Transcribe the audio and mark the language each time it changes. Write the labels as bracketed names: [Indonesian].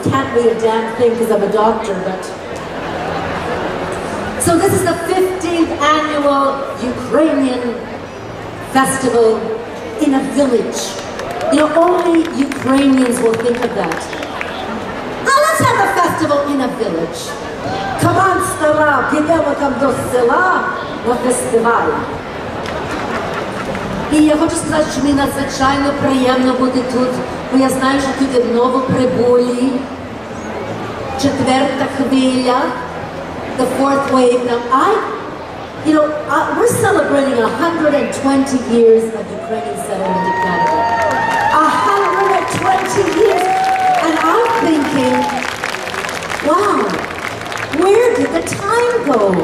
[English] Can't read a damn thing because I'm a doctor, but. So this is the 15th annual Ukrainian festival in a village. You know, only Ukrainians will think of that. Now let's have a festival in a village. Come on, [Ukrainian] стара, підемо там до села на фестиваль. І я хочу сказати, що мені надзвичайно приємно бути тут, бо я знаю, що тут новоприбулі. Четверта хвиля. [English] The fourth wave. Now, we're celebrating 120 years of Ukrainian settlement in Canada. 120 years! And I'm thinking, wow, where did the time go?